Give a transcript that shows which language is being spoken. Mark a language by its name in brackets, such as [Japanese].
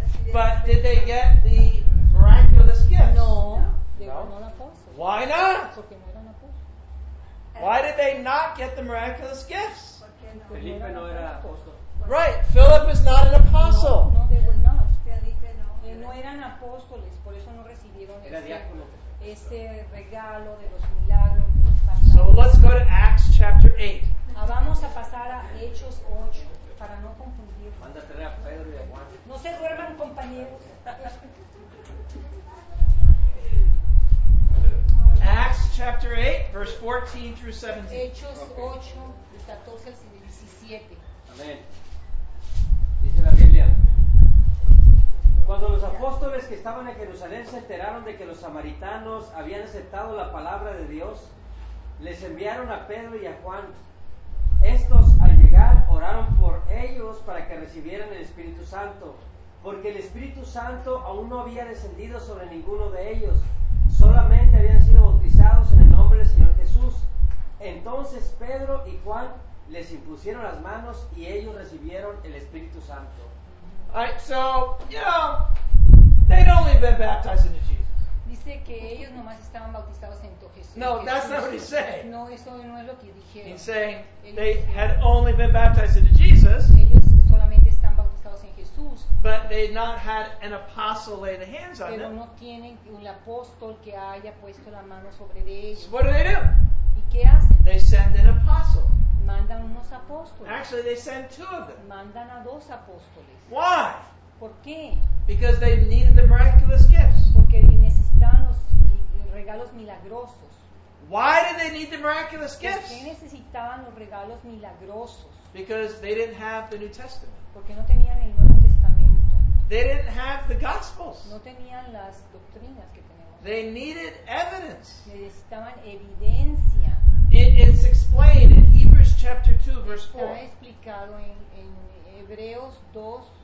[English] But did they get the miraculous gifts? No. Why not? Why did they not get the miraculous gifts? [Spanish] Felipe no era apóstol. [English] Right, Philip is not an apostle. No, they were not. [Spanish] Felipe no. No eran apóstoles, por eso no recibieron ese regalo de los milagros. [English] So let's go to Acts chapter 8. [Spanish] Vamos a pasar a Hechos 8 para no confundir. Mándate a Pedro y a Juan. No se duerman, compañeros. [English] Acts chapter 8, verse 14 through 17. [Spanish] Hechos 8, de 14 al 17. Amén. Dice la Biblia. Cuando los apóstoles que estaban en Jerusalén se enteraron de que los samaritanos habían aceptado la palabra de Dios, les enviaron a Pedro y a Juan. Estos, al llegar, oraron por ellos para que recibieran el Espíritu Santo, porque el Espíritu Santo aún no había descendido sobre ninguno de ellos. Solamente habían sido bautizados en el nombre del Señor Jesús. Entonces Pedro y Juan les impusieron las manos y ellos recibieron el Espíritu Santo. [English] Alright, so, you know, they'd only been baptized into Jesus. [Spanish] Dice que ellos nomás estaban bautizados en Jesús. [English] No, that's not what he's saying. [Spanish] No, eso no es lo que dijeron. [English] He's saying they had only been baptized into Jesus. [Spanish] Ellos solamente están bautizados en Jesús. [English] But they not had an apostle lay the hands on them. [Spanish] Pero no tienen un apóstol que haya puesto la mano sobre ellos. [English] So what do they do? [Spanish] ¿Y qué hacen? [English] They send an apostle. [Spanish] Mandan unos apóstoles. [English] Actually, they send two of them. [Spanish] Mandan a dos apóstoles. [English] Why? [Spanish] ¿Por qué? [English] Because they needed the miraculous gifts. [Spanish] Porque necesitaban los regalos milagrosos. [English] Why did they need the miraculous gifts? [Spanish] ¿Por qué necesitaban los regalos milagrosos? [English] Because they didn't have the New Testament. [Spanish] Porque no tenían el Nuevo Testamento. [English] They didn't have the Gospels. [Spanish] No tenían las doctrinas que tenemos. [English] They needed evidence. [Spanish] Necesitaban evidencia. [English] It's explained in Hebrews chapter 2, verse 4. [Spanish] Está explicado en Hebreos 2,